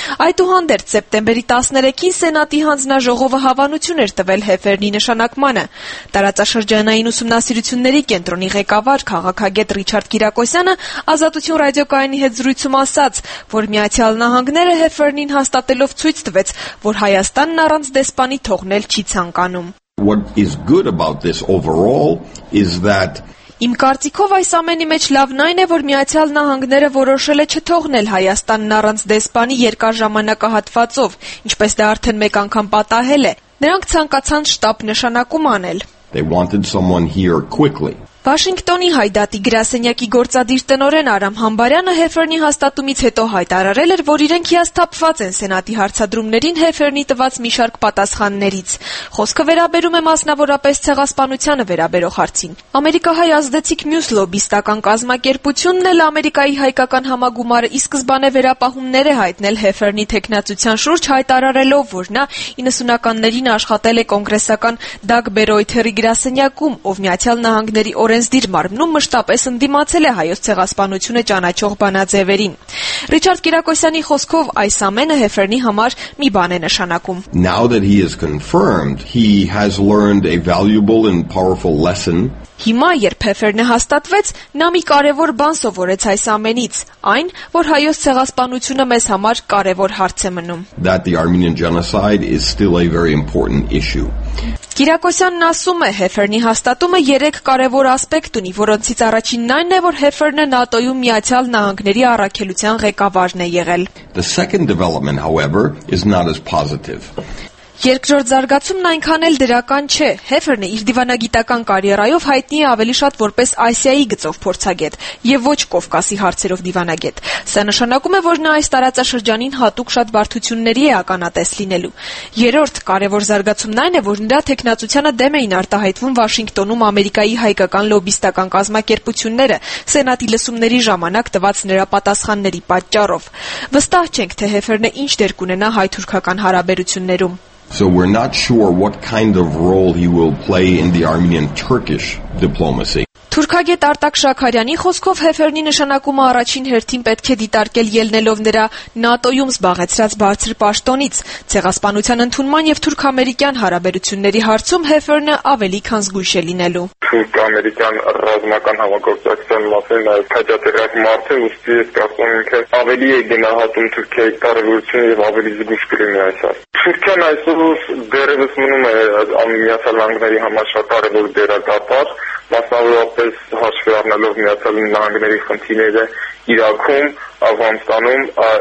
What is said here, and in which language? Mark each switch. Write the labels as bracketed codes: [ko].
[hy] Այդուհանդերձ սեպտեմբերի 13-ին սենատի հանձնաժողովը հավանություն էր տվել Հեֆերնի նշանակմանը։ Տարածաշրջանային ուսումնասիրությունների կենտրոնի ղեկավար քաղաքագետ Ռիչարդ Կիրակոսյանը Ազատություն ռադիոկայանի հետ զրույցում ասաց, որ Միացյալ Նահանգները Հեֆերնին հաստատելով ցույց տվեց, որ Հայաստանն առանց դեսպանի թողնել չի ցանկանում։ [en] What is good about this overall is that [hy] Իմ կարծիքով այս ամենի մեջ լավն այն է, որ Միացյալ Նահանգները որոշել է չթողնել Հայաստանն առանց դեսպանի երկար ժամանակահատվածով, ինչպես դա արդեն մեկ անգամ պատահել է։ Նրանք ցանկացան շտապ նշանակում անել։ [en] They wanted someone here quickly. [hy] Վաշինգտոնի հայդատի գրասենյակի գործադիր տնօրեն Արամ Համբարյանը Հեֆերնի հաստատումից հետո հայտարարել էր, որ իրենք հիասթափված են սենատի հարցադրումներին Հեֆերնի տված մի շարք պատասխաններից։ Խոսքը վերաբերում է մասնավորապես ցեղասպանությանը վերաբերող հարցին։ Ամերիկահայ ազդեցիկ մյուս լոբիստական կազմակերպությունն էլ Ամերիկայի հայկական համագումարը ի սկզբանե վերապահումներ է հայտնել Հեֆերնի թեկնածության շուրջ, հայտարարելով, որ նա 90-ականներին աշխատել է կոնգրեսական Դագ Բերոյթերի գրասենյակում, ով Միացյալ Նահանգների օրենսդիր մարմնում մշտապես ընդդիմացել է հայոց ցեղասպանությունը ճանաչող բանաձևերին։ Ռիչարդ Կիրակոսյանի խոսքով այս ամենը Հեֆերնի համար մի բան է նշանակում։ [en] Now that he is confirmed, he has learned a valuable and powerful lesson. [hy] Հիմա, երբ Հեֆերնը հաստատվեց, նա մի կարևոր բան սովորեց այս ամենից, այն, որ հայոց ցեղասպանությունը մեզ համար կարևոր հարց է մնում։ [en] That the Armenian genocide is still a very important issue. [hy] Կիրակոսյանն ասում է, Հեֆերնի հաստատումը 3 կարևոր ասպեկտ ունի, որոնցից առաջինն այն է, որ Հեֆերնը ՆԱՏՕ-ում Միացյալ Նահանգների առաքելության ղեկավարն է եղել։ [en] The second development, however, is not as positive. [hy] Երկրորդ զարգացումն այնքան էլ դրական չէ։ Հեֆերնը իր դիվանագիտական կարիերայով հայտնի է ավելի շատ որպես Ասիայի գծով փորձագետ եւ ոչ Կովկասի հարցերով դիվանագետ։ Սա նշանակում է, որ նա այս տարածաշրջանին հատուկ շատ բարդությունների է ականատես լինելու։ Երրորդ կարևոր զարգացումն այն է, որ նրա թեկնածությունը դեմ էին արտահայտվում Վաշինգտոնում Ամերիկայի հայկական լոբիստական կազմակերպությունները սենատի լսումների ժամանակ տված նրա պատասխանների պատճառով։ Վստահ չենք, թե Հեֆերնը ինչ դեր կունենա հայ-թուրքական հարաբերություններում։ [en] So we're not sure what kind of role he will play in the Armenian-Turkish diplomacy. [hy] Թուրքագետ Արտակ Շաքարյանի խոսքով Հեֆերնի նշանակումը առաջին հերթին պետք է դիտարկել ելնելով նրա ՆԱՏՕ-ում զբաղեցրած բարձր պաշտոնից։ Ցեղասպանության ընդունման եւ թուրք-ամերիկյան հարաբերությունների հարցում Հեֆերնը ավելի քան զգույշ է լինելու։ Թուրք-ամերիկյան ռազմական համագործակցության մասին նաեւ քաջատեղակ մարդ է, ուստի ես կարծում եմ, թե ավելի է գնահատում Թուրքիայի կարևորությունը եւ ավելի զգույշ կլինի այս հարցում։ Թուրքիան այսօր դերևս մնում է Միացյալ Նահանգների համար շատ կարևոր դերակատար։ Մասնավորապես հաշվի առնելով Միացյալ Նահանգների խնդիրները Իրաքում, Աֆղանստանում,